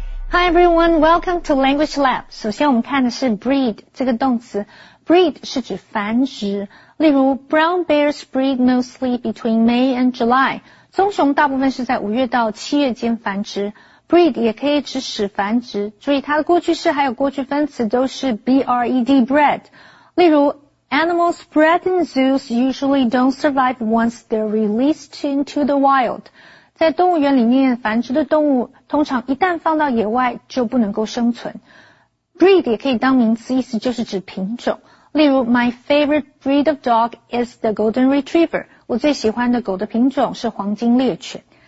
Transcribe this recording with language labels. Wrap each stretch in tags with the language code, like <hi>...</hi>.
<en>Hi everyone, welcome to Language Lab.</en> <zh>首先我们看的是 breed 这个动词。 breed 是指繁殖。</zh> <en>例如 brown bears breed mostly between May and July.</en> <zh>棕熊大部分是在5月到7月间繁殖。 breed 也可以指使繁殖。注意它的过去式还有过去分词都是 bred, bred。</zh> <en>例如 animals bred in zoos usually don't survive once they're released into the wild.</en> <zh>在动物园里面繁殖的动物通常一旦放到野外就不能够生存。 breed 也可以当名词，意思就是指品种。例如 ,</zh> <en>my favorite breed of dog is the golden retriever.</en> <zh>我最喜欢的狗的品种是黄金猎犬。</zh>